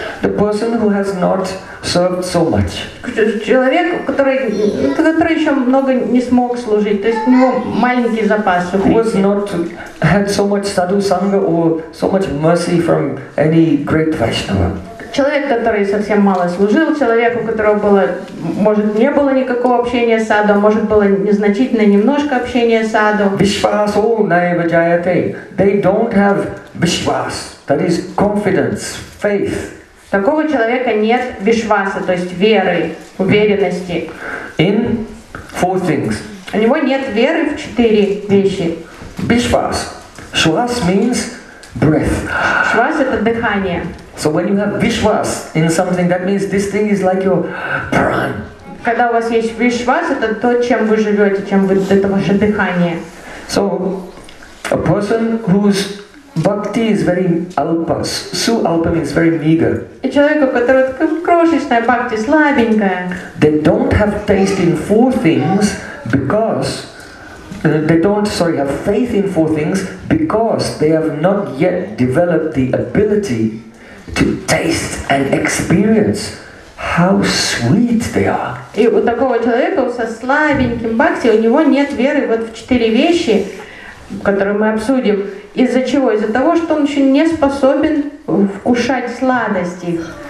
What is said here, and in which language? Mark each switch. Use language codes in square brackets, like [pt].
[en] The person who has not served so much. [ru] Человек, который еще много не смог служить, то есть у него маленький запас сукрити. [en] Who has not had so much sadhu sangha or so much mercy from any great Vaishnava. [ru] Человек, который совсем мало служил, человек, у которого было, может, не было никакого общения с саду, может, было незначительное немножко общения с саду. [sa] Вишвасу наива джаяте. [en] They don't have вишвас. That is confidence, faith. [ru] Такого человека нет вишваса, то есть веры, уверенности. [en] In four things. [ru] У него нет веры в четыре вещи. [en] Вишвас. Швас means breath. [ru] Швас – это дыхание. [en] So when you have vishwas in something, that means this thing is like your pran. [ru] Когда у вас есть вишвас, это то, чем вы живете, чем вы, это ваше дыхание. [en] So a person whose bhakti is very alpa, su alpa means very meager. [ru] И человек, у которого крошечная бхакти, слабенькая. [en] They don't have taste in four things because have faith in four things because they have not yet developed the ability to taste and experience how sweet they are. [ru] И у такого человека со слабеньким бхакти у него нет веры вот в четыре вещи, которые мы обсудим. Из-за чего? Из-за того, что он еще не способен вкушать сладости.